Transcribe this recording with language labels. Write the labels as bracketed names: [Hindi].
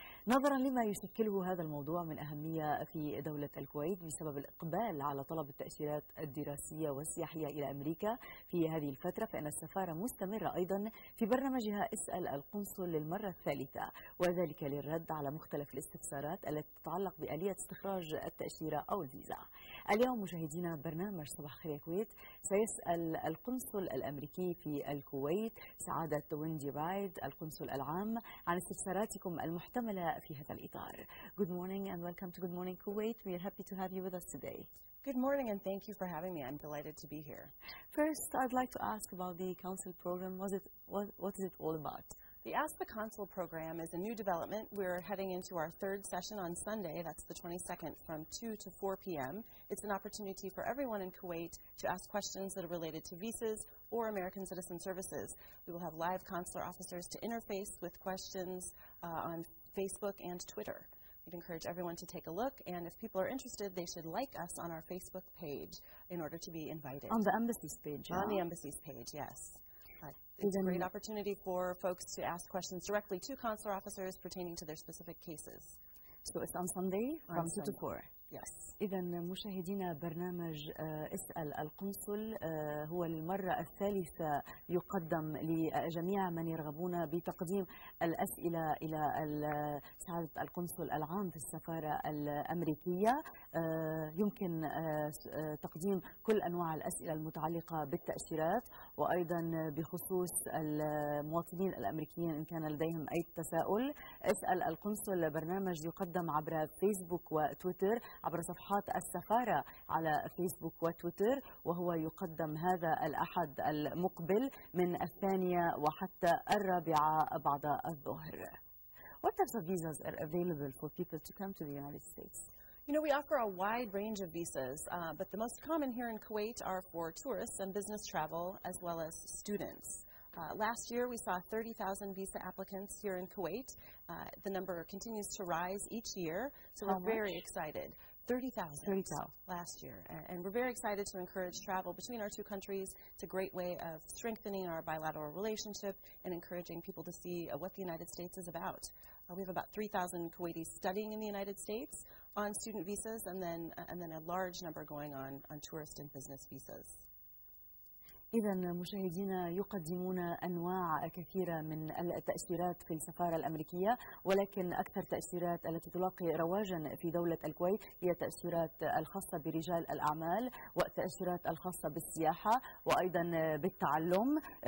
[Arabic] نظرا لما يشكله هذا الموضوع من أهمية في دولة الكويت بسبب الإقبال على طلب التأشيرات الدراسية والسياحية إلى أمريكا في هذه الفترة، فإن السفارة مستمرة أيضا في برنامجها اسأل القنصل للمرة الثالثة، وذلك للرد على مختلف الاستفسارات التي تتعلق بآلية استخراج التأشيرة أو الفيزا. اليوم مشاهدينا برنامج صباح خير يا كويت سيسأل القنصل الأمريكي في الكويت سعادة ويندي رايد القنصل العام عن استفساراتكم المحتملة في هذا الإطار. [English] Good morning and welcome to Good Morning Kuwait. We are happy to have you with us today. Good morning and thank you for having me. I'm delighted to be here. First, I'd like to ask about the consul program. What is it all about? The Ask the Consul program is a new development. We're heading into our third session on Sunday, that's the 22nd, from 2 to 4 p.m. It's an opportunity for everyone in Kuwait to ask questions that are related to visas or American citizen services. We will have live consular officers to interface with questions on Facebook and Twitter. We'd encourage everyone to take a look, and if people are interested, they should like us on our Facebook page in order to be invited. On the embassy's page. On the embassy's page, yes. It's a great opportunity for folks to ask questions directly to consular officers pertaining to their specific cases. So it's on Sunday from 2 to 4. Yes. [Arabic] إذا مشاهدينا برنامج اسأل القنصل هو للمرة الثالثة يقدم لجميع من يرغبون بتقديم الأسئلة إلى سعادة القنصل العام في السفارة الأمريكية. يمكن تقديم كل أنواع الأسئلة المتعلقة بالتأشيرات وأيضا بخصوص المواطنين الأمريكيين إن كان لديهم أي تساؤل. اسأل القنصل برنامج يقدم عبر فيسبوك وتويتر، عبر صفحات السفارة على فيسبوك وتويتر، وهو يقدم هذا الأحد المقبل من الثانية وحتى الرابعة بعد الظهر. [English] What types of visas are available for people to come to the United States? You know, we offer a wide range of visas, but the most common here in Kuwait are for tourists and business travel, as well as students. Last year, we saw 30,000 visa applicants here in Kuwait. The number continues to rise each year, so we're very excited. 30,000 last year. And we're very excited to encourage travel between our two countries. It's a great way of strengthening our bilateral relationship and encouraging people to see what the United States is about. We have about 3,000 Kuwaitis studying in the United States on student visas, and then a large number going on tourist and business visas. [Arabic] إذا مشاهدينا يقدمون أنواع كثيرة من التأشيرات في السفارة الأمريكية، ولكن أكثر التأشيرات التي تلاقي رواجا في دولة الكويت هي التأشيرات الخاصة برجال الأعمال والتأشيرات الخاصة بالسياحة وأيضا بالتعلم.